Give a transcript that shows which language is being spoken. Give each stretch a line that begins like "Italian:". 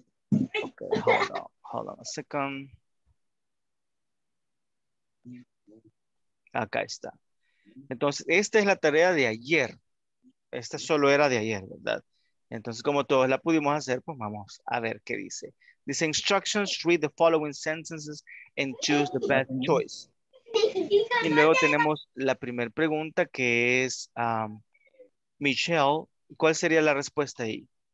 English: Okay, hold on a second.
Spanish: Acá está. Entonces, esta es la tarea de ayer. Esta solo era de ayer, ¿verdad? Entonces, como todos la pudimos hacer, pues vamos a ver qué dice.
English: Dice, instructions, read the following sentences and choose the best choice.
Spanish: Y luego tenemos la primera pregunta que es, Michelle, ¿cuál sería la respuesta ahí?